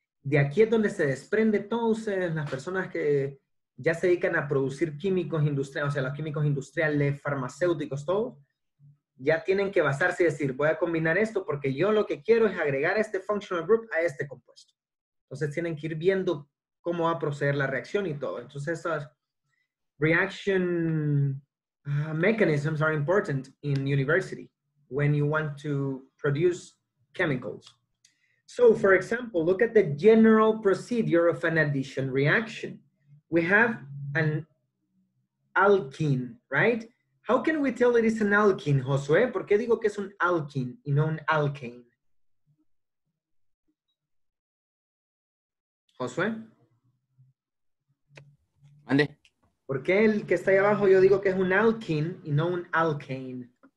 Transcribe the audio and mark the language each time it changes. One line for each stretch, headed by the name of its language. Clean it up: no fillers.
Spanish: De aquí es donde se desprende entonces las personas que ya se dedican a producir químicos industriales, o sea, los químicos industriales, farmacéuticos, todo, ya tienen que basarse y decir, voy a combinar esto porque yo lo que quiero es agregar este functional group a este compuesto. Entonces tienen que ir viendo cómo va a proceder la reacción y todo. Entonces esas
English: reaction mechanisms are important in university when you want to produce chemicals. So, for example, look at the general procedure of an addition reaction. We have an alkene, right? How can we tell it is an alkene, Josué?
Spanish: ¿Por qué digo que es un alkene y no un alkane? Josué? Mande. ¿Por qué el que está ahí abajo yo digo que es un alkene y no un alkane?